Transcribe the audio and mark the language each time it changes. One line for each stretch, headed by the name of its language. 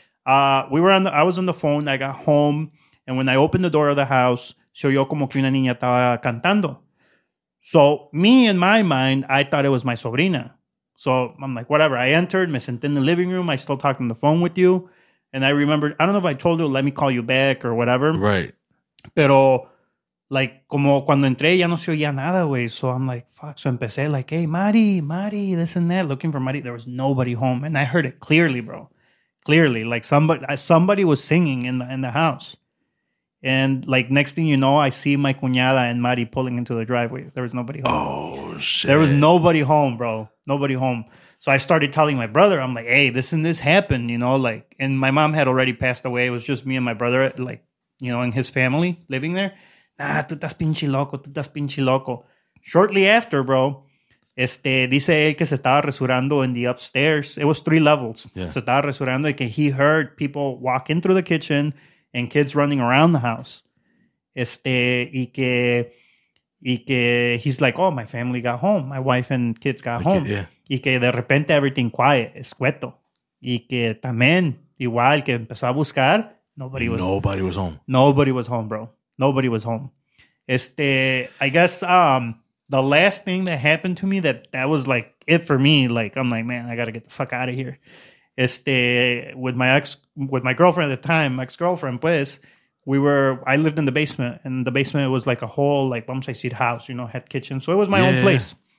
English: I was on the phone, I got home, and when I opened the door of the house,
Spanish: se oyó como que una niña estaba cantando.
English: So me, in my mind, I thought it was my sobrina. So I'm like, whatever. I entered,
Spanish: me senté
English: in the living room. I still talked on the phone with you. And I remember, I don't know if I told you, let me call you back or whatever. Right.
Spanish: Pero, como cuando entré, ya no se oía nada, güey.
English: So I'm like, fuck. So
Spanish: empecé
English: hey, Mari, this and that. Looking for Mari. There was nobody home. And I heard it clearly, bro. Clearly. Somebody was singing in the house. And next thing you know, I see my cuñada and Mari pulling into the driveway. There was nobody home. Oh, shit. There was nobody home, bro. Nobody home. So I started telling my brother, I'm like, hey, this and this happened, you know, and my mom had already passed away. It was just me and my brother, you know, and his family living there.
Spanish: Ah, tú estás pinche loco.
English: Shortly after, bro,
Spanish: dice él que se estaba resurrando
English: in the upstairs. It was three levels. Yeah.
Spanish: Se estaba resurrando, y que
English: he heard people walk in through the kitchen and kids running around the house.
Spanish: Y que
English: he's like, oh, my family got home. My wife and kids got home. Yeah.
Spanish: Y que de repente
English: everything quiet,
Spanish: escueto. Y que también, igual que empezó a buscar,
English: Nobody was home. Nobody was home, bro. Nobody was home. I guess the last thing that happened to me that was like it for me. Like, I'm like, man, I gotta get the fuck out of here. With my girlfriend at the time, ex-girlfriend, pues, I lived in the basement, and the basement was like a whole like bonsai seed house, you know, had kitchen. So it was my own place.